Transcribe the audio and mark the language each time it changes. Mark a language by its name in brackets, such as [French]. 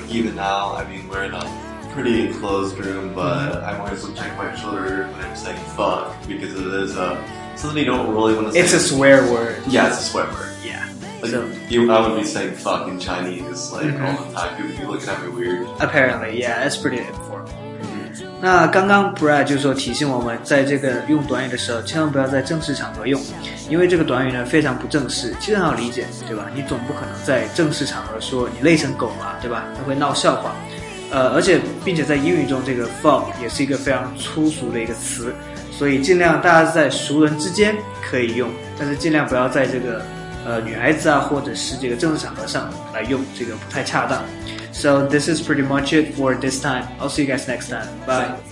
[English] Like, even now, I mean, we're in a pretty enclosed room, but I'm always checking my shoulder when I'm saying fuck, because it is something you don't really want to say. It's a swear word. Yeah, it's a swear word. Yeah. Like, so, I would be saying fuck in Chinese, like, all the time. People looking at me weird. Apparently, yeah, it's pretty informal. [Chinese] 那刚刚 Brad 就说提醒我们，在这个用短语的时候，千万不要在正式场合用，因为这个短语呢非常不正式，其实很好理解，对吧？你总不可能在正式场合说你累成狗了，对吧？那会闹笑话。而且并且在英语中这个 fuck 也是一个非常粗俗的一个词，所以尽量大家在熟人之间可以用，但是尽量不要在这个女孩子啊或者是这个正式场合上来用，这个不太恰当。 [English] So this is pretty much it for this time. I'll see you guys next time. Bye.